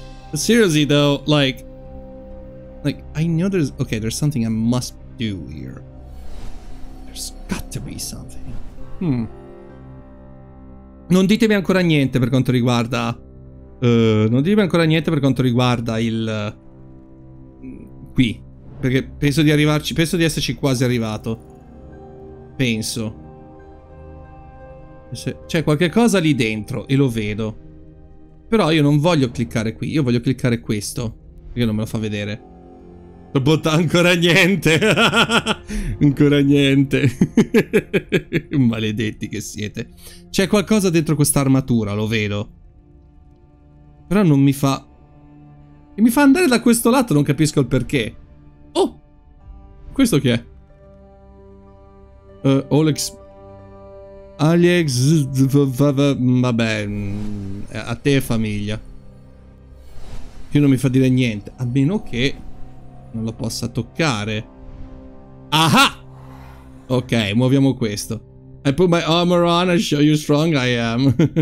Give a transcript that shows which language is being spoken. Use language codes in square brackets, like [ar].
[en] But seriously though, like I know there's okay, there's something I must do here. There's got to be something. [it] Non ditemi ancora niente per quanto riguarda il qui, perché penso di arrivarci, penso di esserci quasi arrivato. Penso. C'è qualche cosa lì dentro e lo vedo. Però io non voglio cliccare qui. Io voglio cliccare questo. Perché non me lo fa vedere. Botta ancora niente. Ancora niente. Maledetti che siete. C'è qualcosa dentro questa armatura, lo vedo. Però non mi fa. E mi fa andare da questo lato, non capisco il perché. Oh! Questo che è? Olex. Alex, vabbè, a te famiglia. Più non mi fa dire niente, a meno che non lo possa toccare. Aha! Ok, muoviamo questo. [en] I put my armor on and show you how strong I am.